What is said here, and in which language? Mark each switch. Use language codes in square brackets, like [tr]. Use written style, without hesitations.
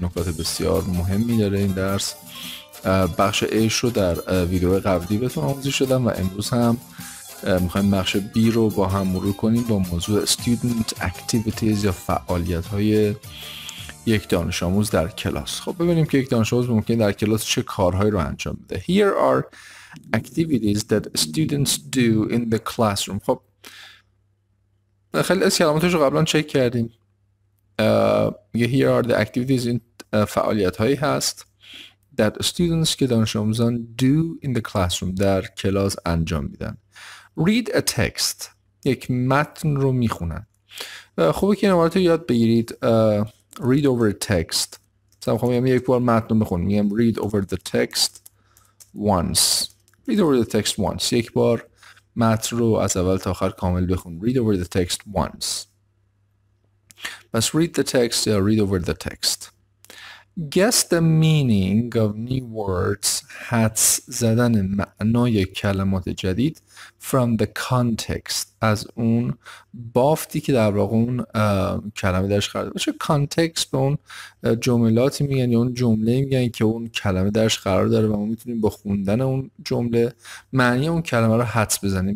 [fa] نکات بسیار مهمی داره این درس. بخش A رو در ویدیو قبلی بهتون آموزش دادم و امروز هم میخواییم بخش B رو با هم مرور کنیم با موضوع [en] Student Activities [fa] یا فعالیت های یک دانش آموز در کلاس. خب ببینیم که یک دانش آموز ممکن در کلاس چه کارهایی رو انجام بده. [en] Here are activities that students do in the classroom. [fa] خب خیلی از کلماتش رو قبلا چک کردیم. [en] Here are the activities [fa] این فعالیت هایی هست [en] that students [fa] که دانش آموزان [en] do in the classroom [fa] در کلاس انجام میدن. [en] Read a text. [fa] یک متن رو میخونن. خوبه که این عبارت رو یاد بگیرید. [en] Read over a text. [fa] مثلا خواهم یک بار متن رو بخونم. میگم [en] read over the text once. Read over the text once. [fa] یک بار متن رو از اول تا آخر کامل بخون. [en] Read over the text once. [fa] پس [en] read the text یا read over the text. Guess the meaning of new words. [fa] حدس زدن معنای کلمات جدید [en] from the context [fa] از اون بافتی که در واقع اون کلمه درش قرار داره. چه context به اون جملاتی میگن یا اون جمله میگن که اون کلمه درش قرار داره و ما میتونیم با خوندن اون جمله معنی اون کلمه رو حدس بزنیم.